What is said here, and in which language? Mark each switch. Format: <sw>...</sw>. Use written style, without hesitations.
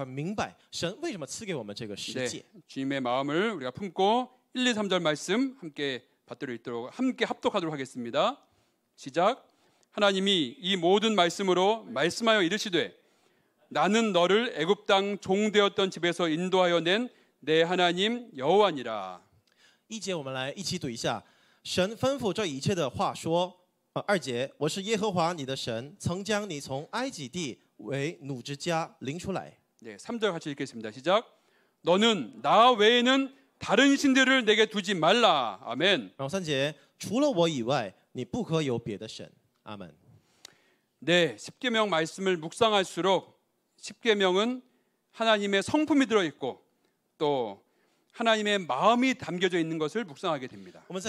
<zh>我们必须得好好明白神为什么赐给我们这个十诫.</zh> <ko>네, 주님의 마음을 우리가 품고 1, 2, 3절 말씀 함께 받들어 읽도록 함께 합독하도록 하겠습니다. 시작. 하나님이 이 모든 말씀으로 말씀하여 이르시되 나는 너를 애굽 땅 종 되었던 집에서 인도하여 낸 내 하나님 여호와니라.</ko> <zh>2节我们来一起读一下神吩咐这一切的话说二节我是耶和华你的神曾将你从埃及地为奴之家领出来。</zh> <ko>네, 3절 같이 읽겠습니다. 시작. 너는 나 외에는 다른 신들을 내게 두지 말라. 아멘.</ko> <zh>3节除了我以外你不可有别的神。</zh> <ko>네, 십계명 말씀을 묵상할수록 십계명은 하나님의 성품이 들어 있고 또 하나님의 마음이 담겨져 있는 것을 묵상하게 됩니다.</ko>